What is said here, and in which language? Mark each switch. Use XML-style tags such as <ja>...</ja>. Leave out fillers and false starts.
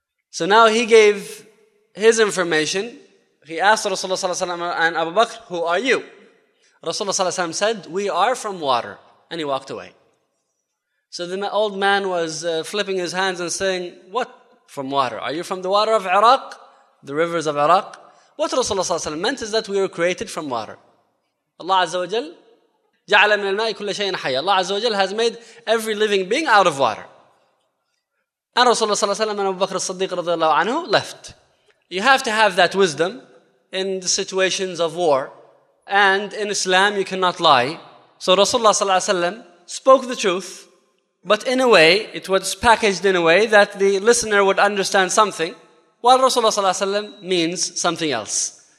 <en>So now he gave his information. He asked Rasulullah sallallahu alayhi wa sallam and Abu Bakr, "Who are you?" Rasulullah sallallahu alayhi wa sallam said, "We are from water." And he walked away. So the old man was flipping his hands and saying, "What from water? Are you from the water of Iraq? The rivers of Iraq?" What Rasulullah sallallahu alayhi wa sallam meant is that we were created from water.</en> <ar>Allah Azza wa Jal, جَعْلَ مِنَ الْمَاءِ كُلَّ شَيْءٍ حَيَّ.</ar> <en>Allah Azza wa Jal has made every living being out of water. And Rasulullah sallallahu alayhi wa sallam and Abu Bakr al-Siddiq radiallahu anhu left. You have to have that wisdom in the situations of war. And in Islam, you cannot lie. So Rasulullah sallallahu alayhi wa sallam spoke the truth, but in a way, it was packaged in a way that the listener would understand something, while Rasulullah sallallahu alayhi wa sallam means something else.</en>